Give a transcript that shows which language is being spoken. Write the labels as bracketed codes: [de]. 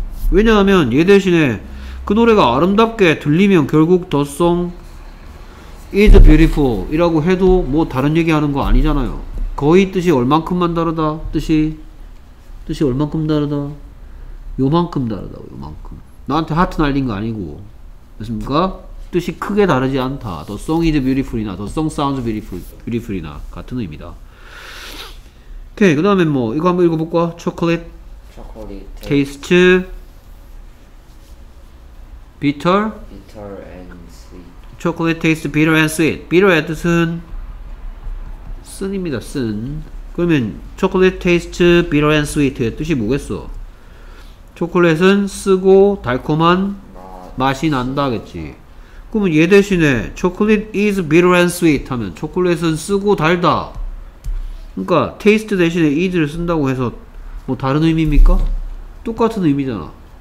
[ko] 왜냐하면 얘 대신에 그 노래가 아름답게 들리면 결국 [en] The song is beautiful [ko] 이라고 해도 뭐 다른 얘기 하는 거 아니잖아요. 거의 뜻이 얼만큼만 다르다? 뜻이 얼만큼 다르다? 요만큼 다르다. 요만큼. 나한테 하트 날린 거 아니고. 됐습니까? 뜻이 크게 다르지 않다. [en] The song is beautiful 이나 The song sounds beautiful 이나 [ko] 같은 의미다. 오케이. 그 다음에 뭐 이거 한번 읽어볼까? [en] Chocolate, chocolate taste bitter? bitter and sweet. chocolate taste bitter and sweet. [ko] bitter의 뜻은 쓴입니다. 쓴. 그러면 [en] chocolate taste bitter and sweet [ko] 의 뜻이 뭐겠어? 초콜릿은 쓰고 달콤한 맛이 난다겠지. 그러면 얘 대신에 [en] chocolate is bitter and sweet [ko] 하면 초콜릿은 쓰고 달다. 그러니까 taste 대신에 is를 쓴다고 해서 뭐 다른 의미입니까? 똑같은 의미잖아.